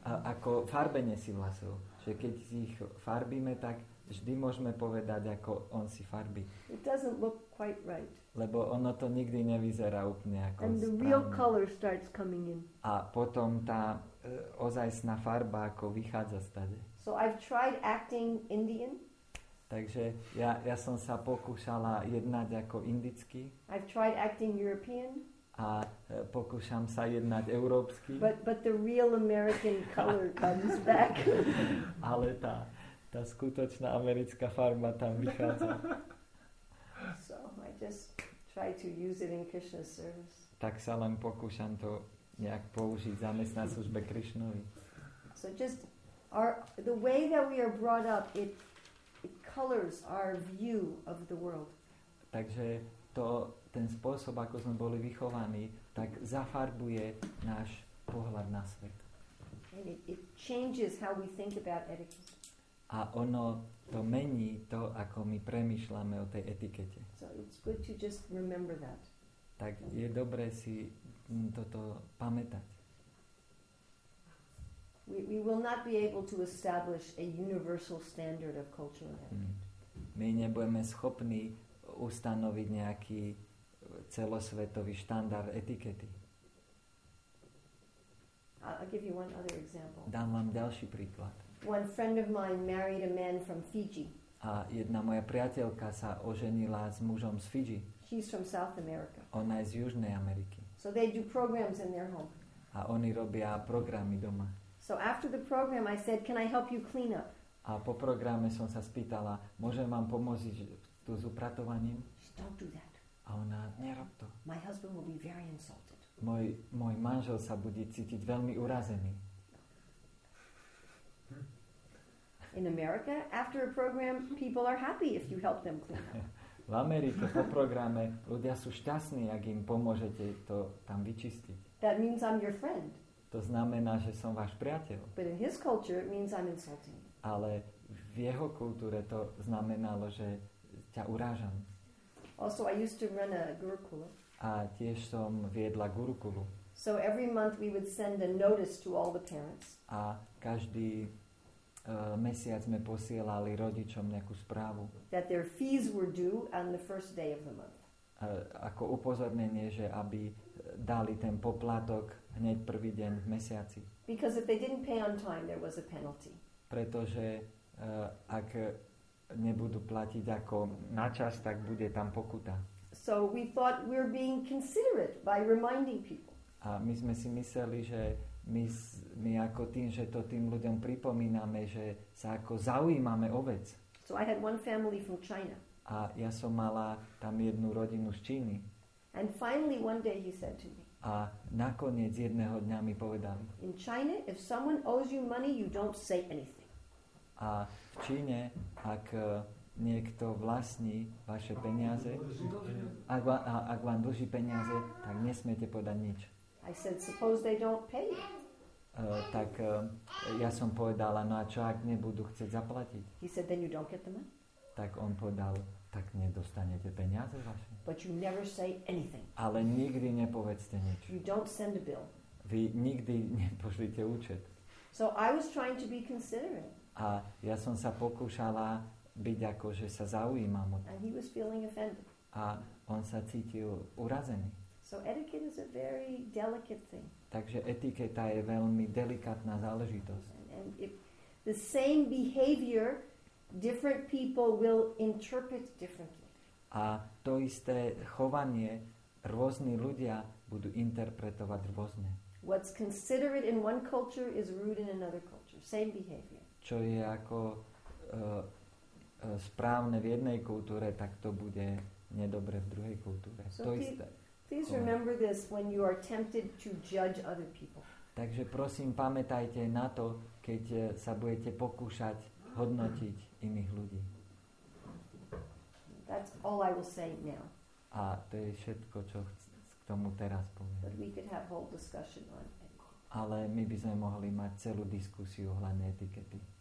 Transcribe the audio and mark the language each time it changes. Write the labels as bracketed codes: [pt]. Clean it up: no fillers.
[sk] Ako farbenie si vlasov. Že keď ich farbíme, tak vždy môžeme povedať, ako on si farbí. [en] It doesn't look quite right. [sk] Lebo ono to nikdy nevyzerá úplne ako správne. [en] And the real color starts coming in. [sk] A potom tá ozajstná farba ako vychádza stade. [en] So I've tried acting Indian. [sk] Takže ja som sa pokúšala jednať ako indický. [en] I've tried acting European. [sk] A pokúšam sa jednať európsky. [en] But the real American color comes back. [sk] Ale tá skutočná americká farba tam vychádza. [en] So I just try to use it in Krishna's service. [sk] Tak sa len pokúšam to nejak použiť zamestná službe Krišnovi. [en] So just our the way that we are brought up, it colors our view of the world. [sk] Takže to ten spôsob, ako sme boli vychovaní, tak zafarbuje náš pohľad na svet. [en] And it changes how we think about etiquette. [sk] A ono to mení to, ako my premýšľame o tej etikete. [en] So it's good to just remember that. [sk] Tak je dobré si toto pamätať. [en] We will not be able to establish a universal standard of culture and etiquette. [sk] My nebudeme schopní ustanoviť nejaký celosvetový štandard etikety. [en] I'll give you one other example. [sk] Dám vám ďalší príklad. [en] One friend of mine married a man from Fiji. [sk] A jedna moja priateľka sa oženila s mužom z Fiji. [en] She's from South America. [sk] Ona je z Južnej Ameriky. [en] So they do programs in their home. [sk] A oni robia programy doma. [en] So after the program I said, "Can I help you clean up?" [sk] A po programe som sa spýtala, "Môžem vám pomôcť tu s upratovaním?" [en] Don't do that. [sk] A ona, nerob to. [en] My husband will be very insulted. [sk] Môj manžel sa bude cítiť veľmi urazený. [en] In America, after a program, people are happy if you help them clean up. [sk] V Amerike po programe ľudia sú šťastní, ak im pomôžete to tam vyčistiť. [en] That means I'm your friend. [sk] To znamená, že som váš priateľ. [en] But in his culture, it means I'm insulting. [sk] Ale v jeho kultúre to znamenalo, že ťa urážam. [en] Also, I used to run a gurukula. [sk] A tiež som viedla gurukulu. [en] So every month we would send a notice to all the parents. [sk] A každý mesiac sme posielali rodičom nejakú správu. [en] That their fees were due on the first day of the month. [sk] Ako upozornenie, že aby dali ten poplatok hneď prvý deň v mesiaci. [en] Because if they didn't pay on time, there was a penalty. [sk] Pretože ak nebudú platiť ako na čas, tak bude tam pokuta. [en] So we thought we're being considerate by reminding people. [sk] A my sme si mysleli, že my ako tým, že to tým ľuďom pripomíname, že sa ako zaujímame o vec. [en] So I had one family from China. [sk] A ja som mala tam jednu rodinu z Číny. [en] And finally one day he said to me. [sk] A nakoniec jedného dňa mi povedal. [en] In China, if someone owes you money, you don't say anything. [sk] A v Číne, ak niekto vlastní vaše peniaze, ak vám dlží peniaze, tak nesmiete podať nič. [en] I said, suppose they don't pay. [sk] Tak ja som povedala, no a čo, ak nebudú chcieť zaplatiť? [en] He said, then you don't get the money. [sk] Tak on povedal, tak nedostanete peniaze vaše. [en] But you never say anything. [sk] Ale nikdy nepovedzte nič. [en] You don't send a bill. [sk] Vy nikdy nepošlite účet. [en] So I was trying to be considerate. [sk] A ja som sa pokúšala byť ako, že sa zaujímam. [en] And he was feeling offended. [sk] A on sa cítil urazený. [en] So etiquette is a very delicate thing. [sk] Takže etiketa je veľmi delikátna záležitosť. [en] And if the same behavior, different people will interpret differently. [sk] A to isté chovanie rôzni ľudia budú interpretovať rôzne. [en] What's considerate in one culture is rude in another culture. Same behavior. [sk] Čo je ako správne v jednej kultúre, tak to bude nedobre v druhej kultúre. [en] So [sk] to isté. [en] Please remember this when you are tempted to judge other people. [sk] Takže prosím, pamätajte na to, keď sa budete pokúšať hodnotiť iných ľudí. [en] That's all I will say now. [sk] A to je všetko, čo k tomu teraz poviem. [en] But we could have whole discussion on etiquette. [sk] Ale my by sme mohli mať celú diskusiu ohľadne etikety.